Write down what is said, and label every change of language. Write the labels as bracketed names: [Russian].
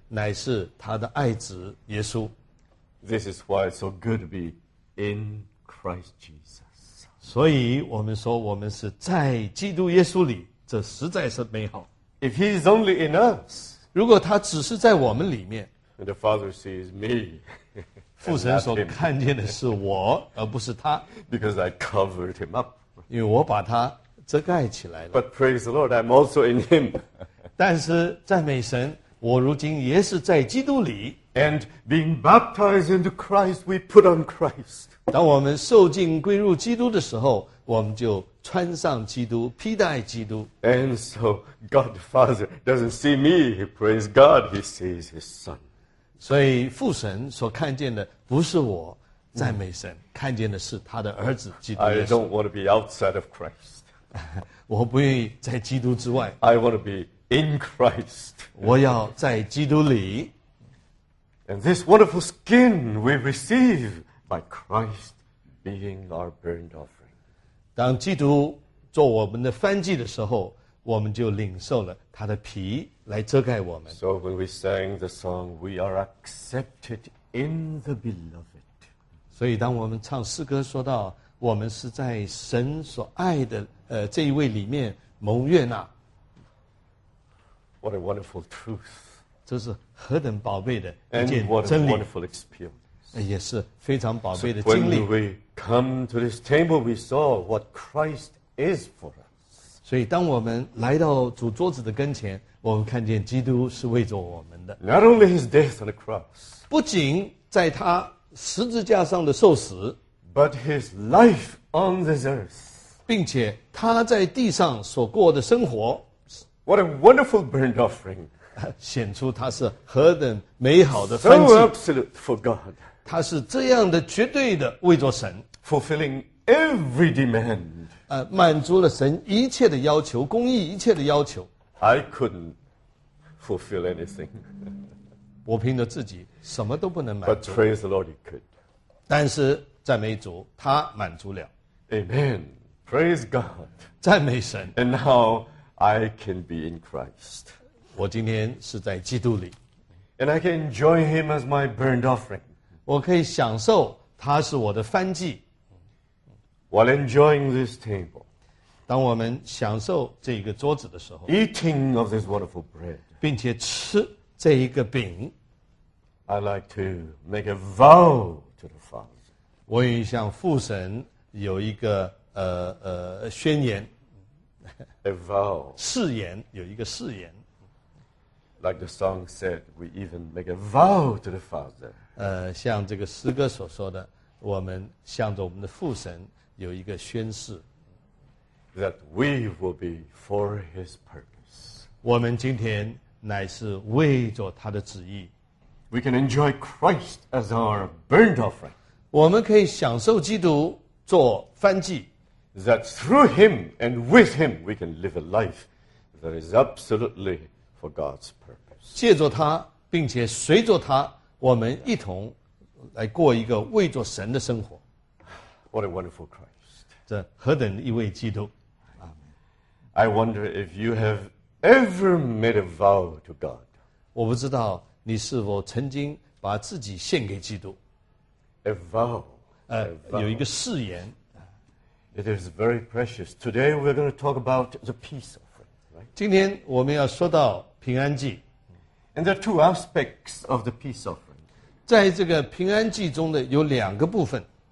[Chinese] 乃是他的爱子耶稣。 [English] This is why it's so good to be in Christ Jesus. [Chinese] 所以我们说我们是在基督耶稣里，这实在是美好。 [English] If he is only in us, [Chinese] 如果他只是在我们里面 [English] and the Father sees me, [Chinese] 父神所看见的是我，而不是他。 [English] Because I covered him up. [Chinese] 因为我把他遮盖起来了。 [English] But praise the Lord, I'm also in him. [Chinese] 但是赞美神。我如今也是在基督里 [English] and being baptized into Christ, we put on Christ. [Chinese] 当我们受浸归入基督的时候，我们就穿上基督，披戴基督。 [English] And so God the Father doesn't see me; He praises God. He sees His Son. [Chinese] 所以父神所看见的不是我，赞美神，看见的是他的儿子基督耶稣。 [English] I don't want to be outside of Christ. [Chinese] 我不愿意在基督之外。 [English] I want to be. In Christ. [Chinese] 我要在基督里。 [English] And this wonderful skin we receive by Christ being our burnt offering. [Chinese] 当基督做我们的燔祭的时候，我们就领受了他的皮来遮盖我们。 [English] So when we sang the song, we are accepted in the beloved. [Chinese] 所以当我们唱诗歌说到我们是在神所爱的这一位里面蒙悦纳。 [English] What a wonderful truth. [Chinese] 这是何等宝贝的一件真理。 [English] And what a wonderful experience. [Chinese] 也是非常宝贝的经历。 [English] So when we come to this table, we saw what Christ is for us. [Chinese] 所以当我们来到主桌子的跟前，我们看见基督是为着我们的。 [English] Not only his death on the cross. [Chinese] 不仅在他十字架上的受死。 [English] But his life on this earth. [Chinese] 并且他在地上所过的生活。 [English] What a wonderful burnt offering. [Chinese] 显出他是何等美好的燔祭。 [English] So absolute for God. [Chinese] 他是这样的绝对的为着神。 [English] Fulfilling every demand. [Chinese] 满足了神一切的要求，公义一切的要求。 [English] I couldn't fulfill anything. [Chinese] 我凭着自己什么都不能满足。 [English] But praise the Lord, he could. [Chinese] 但是赞美主，他满足了。 [English] Amen. Praise God. [Chinese] 赞美神。 [English] And now I can be in Christ. [Chinese] 我今天是在基督里。 [English] And I can enjoy him as my burnt offering. [Chinese] 我可以享受他是我的燔祭。 [English] While enjoying this table, [Chinese] 当我们享受这个桌子的时候 [English] ，eating of this wonderful bread, [Chinese] 并且吃这一个饼 [English] ，I like to make a vow to the Father. [Chinese] 我也向父神有一个宣言 [English] ，a vow, [Chinese] 誓言，有一个誓言。 [English] Like the song said, we even make a vow to the Father. [Chinese] 像这个诗歌所说的，我们向着我们的父神。有一个宣誓 [English] ，that we will be for His purpose. [Chinese] 我们今天乃是为着他的旨意。 [English] We can enjoy Christ as our burnt offering. [Chinese] 我们可以享受基督做燔祭。 [English] That through Him and with Him we can live a life that is absolutely for God's purpose. [Chinese] 借着他，并且随着他，我们一同来过一个为着神的生活。 [English] What a wonderful Christ. [Chinese] 这何等一位基督。 [English] Amen. I wonder if you have ever made a vow to God. [Chinese] 我不知道你是否曾经把自己献给基督。 [English] A vow. [Chinese] 有一个誓言。 [English] It is very precious. Today we're going to talk about the peace offering, right? [Chinese] 今天我们要说到平安祭。 [English] And there are two aspects of the peace offering. [Chinese] 在这个平安祭中的有两个部分。